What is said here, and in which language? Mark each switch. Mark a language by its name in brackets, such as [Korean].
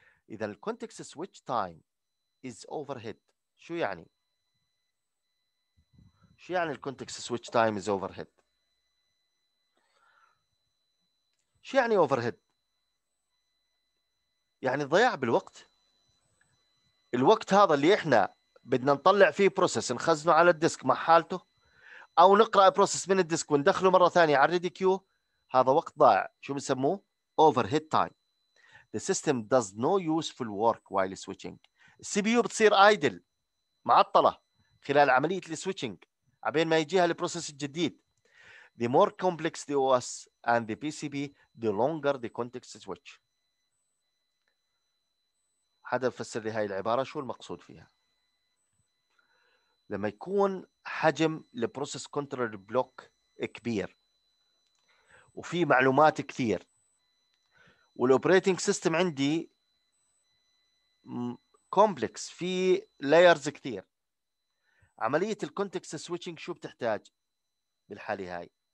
[Arabic] إذا الكونتكست [English] switch time is overhead. [Arabic] شو يعني؟ شو يعني الكونتكست switch time is overhead؟ شو يعني overhead؟ يعني ضياع بالوقت. الوقت هذا اللي إحنا بدنا نطلع فيه بروسيس نخزنه على الديسك مع حالته، أو نقرأ بروسيس من الديسك وندخله مرة ثانية على ريدي كيو، هذا وقت ضائع. شو بنسموه؟ [English] overhead time. The system does no useful work while switching. [Arabic] CPU بتصير idle، معطلة خلال عملية السويتشنج عبين ما يجيها البروسيس الجديد. [English] The more complex the OS and the PCB, the longer the context switch. [Arabic] حدا بفسر لي هاي العبارة شو المقصود فيها؟ لما يكون حجم البروسيس كنترول بلوك كبير وفي معلومات كثير والأوبريتنج سيستم عندي كومبلكس في لايرز كثير، عملية الكونتكست سويتشنج شو بتحتاج بالحالة هاي؟